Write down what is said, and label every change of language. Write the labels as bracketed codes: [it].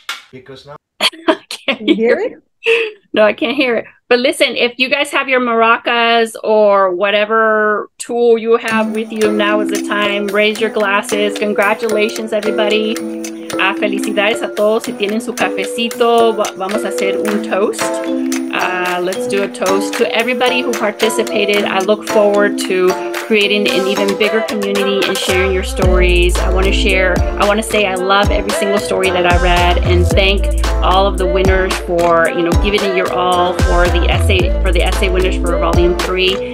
[en] Because now can you hear it? No, I can't hear it. But listen, if you guys have your maracas or whatever tool you have with you, now is the time. Raise your glasses. Congratulations, everybody. [es] Felicidades a todos. Si tienen su cafecito, vamos a hacer un toast. [en] Let's do a toast to everybody who participated. I look forward to creating an even bigger community and sharing your stories. I want to say I love every single story that I read, and thank all of the winners for, you know, giving it your all for the essay winners for volume 3.